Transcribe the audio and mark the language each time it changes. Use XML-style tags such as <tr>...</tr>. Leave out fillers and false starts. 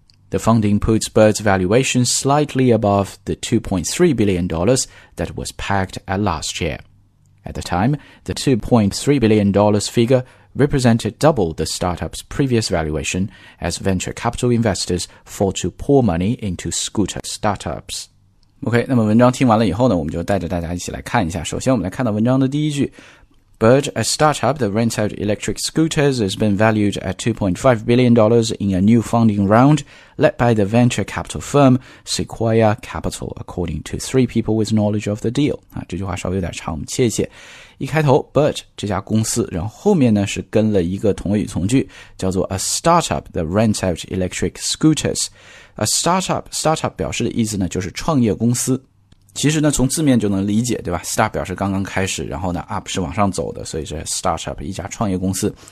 <en>The funding puts Bird's valuation slightly above the $2.3 billion that was pegged at last year. At the time, the $2.3 billion figure represented double the startup's previous valuation as venture capital investors fall to pour money into scooter startups.</en> <zh>OK, 那么文章听完了以后呢，我们就带着大家一起来看一下。首先我们来看到文章的第一句。</zh> <en>Bird, a startup that rents out electric scooters, has been valued at $2.5 billion in a new funding round led by the venture capital firm Sequoia Capital, according to three people with knowledge of the deal.</en> <zh>啊，这句话稍微有点长，我们切一切。一开头 ,Bird, 这家公司，然后后面呢是跟了一个同位语从句，叫做 a startup that rents out electric scooters. A startup 表示的意思呢就是创业公司。其实呢，从字面就能理解，对吧 ？Start 表示刚刚开始，然后呢 ，up 是往上走的，所以是 startup 一家创业公司。</zh>